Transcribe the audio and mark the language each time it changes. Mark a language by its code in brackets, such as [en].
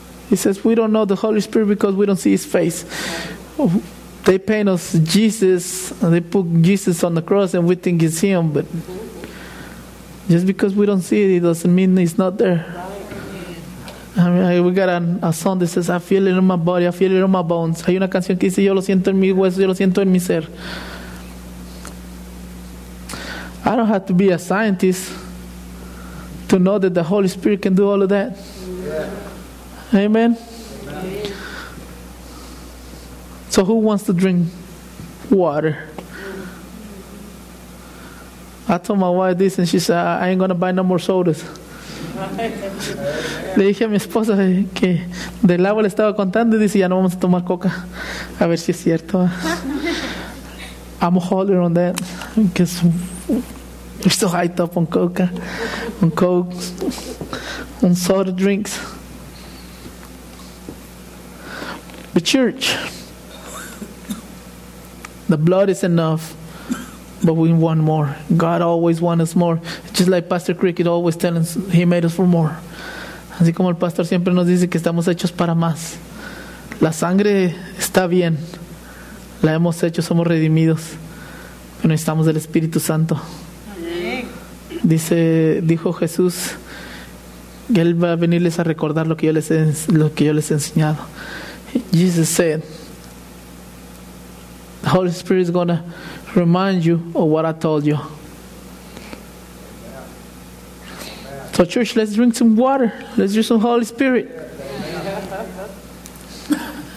[en] He says, we don't know the Holy Spirit because we don't see His face. They paint us Jesus, and they put Jesus on the cross, and we think it's Him. But just because we don't see it, it doesn't mean He's not there. I mean, we got a song that says, I feel it in my body, I feel it in my bones. [es] Hay una canción que dice, yo lo siento en mi hueso, yo lo siento en mi ser. [en] I don't have to be a scientist to know that the Holy Spirit can do all of that. Yeah. Amen. Amen. So who wants to drink water? I told my wife this and she said, I ain't gonna buy no more sodas. [es] Le dije a mi esposa que del agua le estaba contando y dice, ya no vamos a tomar coca. A ver si es cierto. [en] I'm a holder on that because we're so hyped up on coca, on coke, on soda drinks. The church, the blood is enough, but we want more. God always wants us more. Just like Pastor Cricket always telling us, He made us for more. [es] Así como el pastor siempre nos dice que estamos hechos para más. La sangre está bien, la hemos hecho, somos redimidos, pero necesitamos del Espíritu Santo. Dijo Jesús, que Él va a venirles a recordar lo que yo les he enseñado. [en] Jesus said, the Holy Spirit is going to remind you of what I told you. Yeah. So church, let's drink some water. Let's drink some Holy Spirit. Yeah.